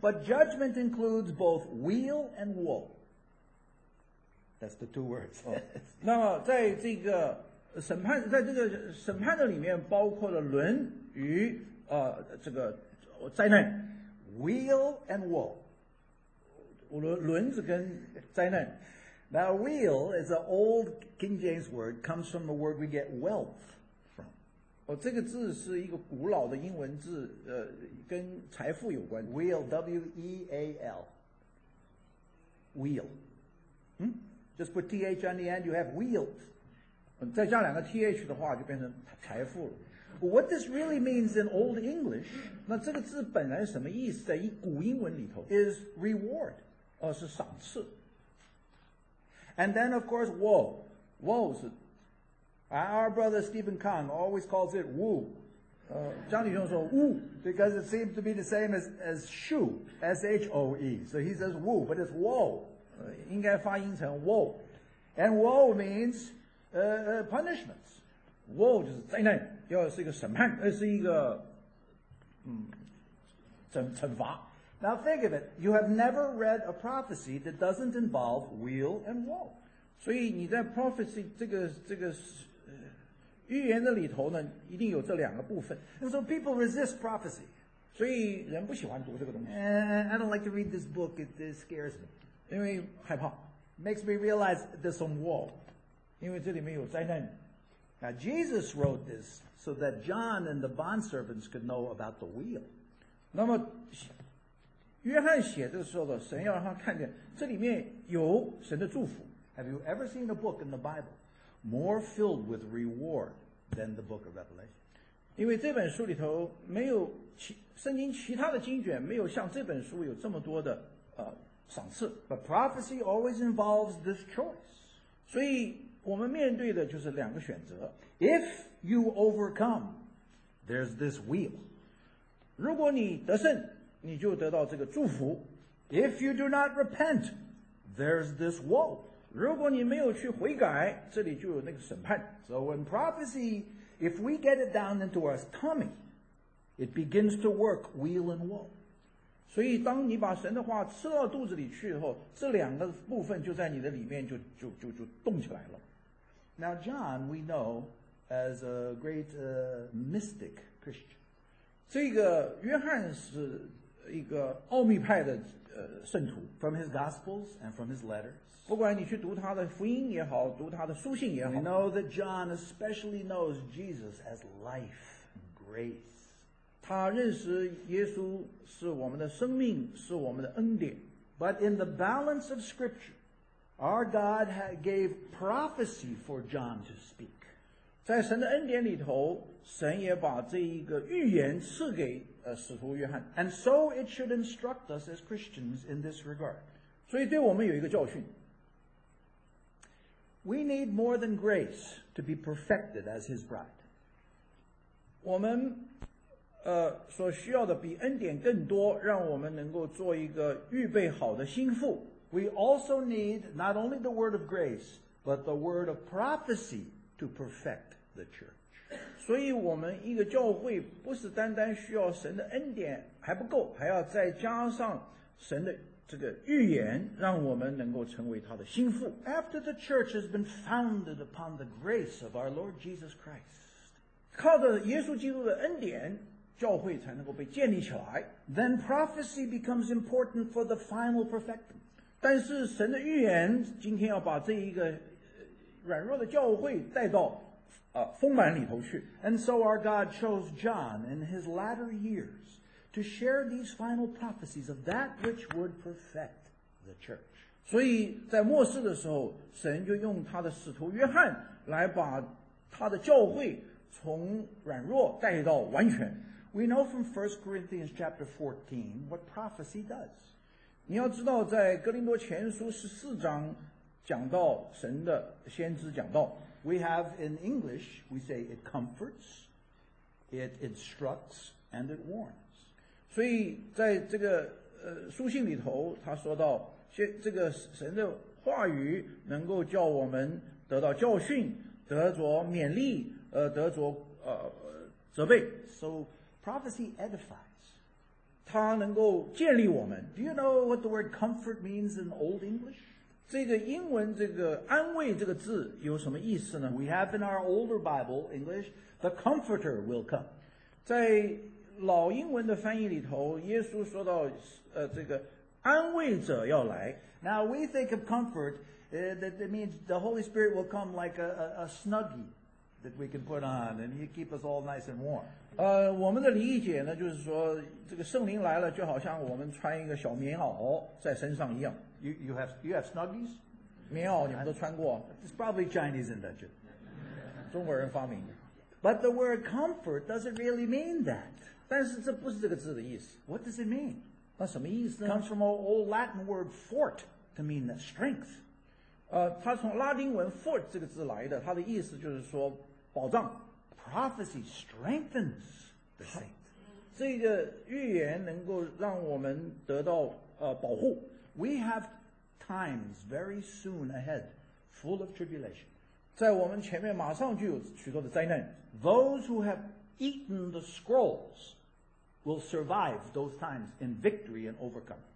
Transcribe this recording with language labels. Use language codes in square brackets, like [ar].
[en] But judgment includes both weal and woe That's the two words、 oh. [zh] 那么在这个审判在这个审判的里面包括了轮与这个灾难 [en] Weal and woe [zh] 轮子跟灾难 [en] Now, weal is an old King James word, comes from the word we get wealth from. [zh] 哦，这个字是一个古老的英文字，跟财富有关。 [en] Weal, W-E-A-L. Weal. Just put T-H on the end, you have wealth. [zh] 再加两个 T-H 的话，就变成财富了。 [en] What this really means in Old English, [zh] 那这个字本来什么意思？在古英文里头 [en] is reward. [zh] 哦，是赏赐。 [en] And then, of course, woe. Woe is it. Our brother Stephen Kang always calls it woo. Johnny Jones says woo. Because it seems to be the same as shoe. S-H-O-E. So he says woo, but it's woe. [zh] 应该发音成 woe. [en] And woe means punishments. [zh] Woe 就是灾难，要是一个审判，是一个惩罚。 [en] Now think of it. You have never read a prophecy that doesn't involve weal and woe. [zh] 所以你在 prophecy 这个预言的里头呢，一定有这两个部分。 [en] And so people resist prophecy. [zh] 所以人不喜欢读这个东西。 [en] I don't like to read this book. It scares me. [zh] 因为害怕。 [en] Makes me realize there's some woe. [zh] 因为这里面有灾难。 [en] Now Jesus wrote this so that John and the bondservants could know about the weal. [zh] 那么约翰写的时候的神要让他看见这里面有神的祝福 [en] Have you ever seen a book in the Bible more filled with reward than the book of Revelation? [zh] 因为这本书里头没有圣经其他的经卷没有像这本书有这么多的赏赐 [en] But prophecy always involves this choice [zh] 所以我们面对的就是两个选择 [en] If you overcome there's this wheel [zh] 如果你得胜你就得到这个祝福。 [en] If you do not repent, there's this woe. [zh] 如果你没有去悔改，这里就有那个审判。 [en] So in prophecy, if we get it down into our tummy, it begins to work weal and woe. [zh] 所以当你把神的话吃到肚子里去以后，这两个部分就在你的里面就动起来了。 [en] Now John, we know, as a great mystic Christian. [zh] 这个约翰是一个奥秘派的圣徒。 [en] From his gospels and from his letters. [zh] 不管你去读他的福音也好，读他的书信也好。 [en] We know that John especially knows Jesus as life and grace. [zh] 他认识耶稣是我们的生命，是我们的恩典。 [en] But in the balance of scripture,Our God gave prophecy for John to speak. [zh] 在神的恩典里头，神也把这一个预言赐给使徒约翰。 [en] And so it should instruct us as Christians in this regard. [zh] 所以对我们有一个教训。 [en] We need more than grace to be perfected as his bride. [zh] 我们所需要的比恩典更多，让我们能够做一个预备好的心腹。 [en] We also need not only the word of grace, but the word of prophecy to perfect the church. [zh] 所以我们一个教会不是单单需要神的恩典还不够，还要再加上神的这个预言，让我们能够成为他的心腹。 [en] After the church has been founded upon the grace of our Lord Jesus Christ, [zh] 靠着耶稣基督的恩典教会才能够被建立起来。 [en] Then prophecy becomes important for the final perfecting. [zh] 但是神的预言今天要把这一个软弱的教会带到丰满里头去。 [en] And so our God chose John in his latter years to share these final prophecies of that which would perfect the church. [zh] 所以在末世的时候，神就用他的使徒约翰来把他的教会从软弱带到完全。 [en] We know from 1 Corinthians chapter 14 what prophecy does. [zh] 你要知道在哥林多前书14章讲到神的先知讲道。 [en] We have in English, we say it comforts, it instructs, and it warns. [zh] 所以在这个书信里头他说到这个神的话语能够叫我们得到教训，得着勉励，得着责备。 [en] So prophecy edifies. [zh] 它能够建立我们。 [en] Do you know what the word comfort means in Old English? [zh] 这个英文这个安慰这个字有什么意思呢？ [en] We have in our older Bible English, the comforter will come. [zh] 在老英文的翻译里头，耶稣说到这个安慰者要来。 [en] Now we think of comfort, that it means the Holy Spirit will come like a snuggie. That we can put on and you keep us all nice and warm. [zh] 我们的理解呢就是说这个圣灵来了就好像我们穿一个小棉袄在身上一样。 [en] You have snuggies? [zh] 棉袄你们都穿过。 [en] It's probably Chinese invention. [zh] 中国人发明的。 [en] But the word comfort doesn't really mean that. [zh] 但是这不是这个字的意思。 [en] What does it mean? [zh] 那什么意思呢？ [en] It comes from an old Latin word fort to mean the strength. [zh] 它从拉丁文 fort 这个字来的，它的意思就是说保障。 [en] Prophecy strengthens the saint. [zh] 这个预言能够让我们得到保护。 [en] We have times very soon ahead full of tribulation. [zh] 在我们前面马上就有许多的灾难。 [en] Those who have eaten the scrolls will survive those times in victory and overcome.